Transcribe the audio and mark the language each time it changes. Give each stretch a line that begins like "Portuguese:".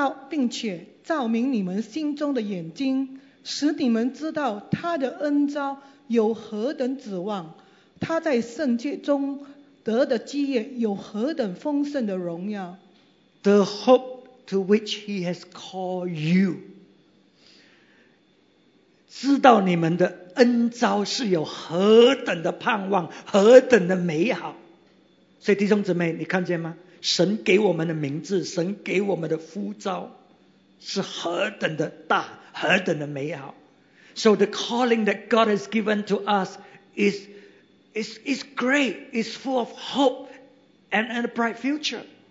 Chinese: 并且照明你们心中的眼睛，使你们知道他的恩召有何等指望，他在圣洁中得的基业有何等丰盛的荣耀。
English: The hope to which he has called you.
Chinese: 知道你们的恩召是有何等的盼望，何等的美好。所以弟兄姊妹，你看见吗？神给我们的名字，神给我们的呼召是何等的大，何等的美好。
English: So the calling that God has given to us is great, is full of hope and a bright future.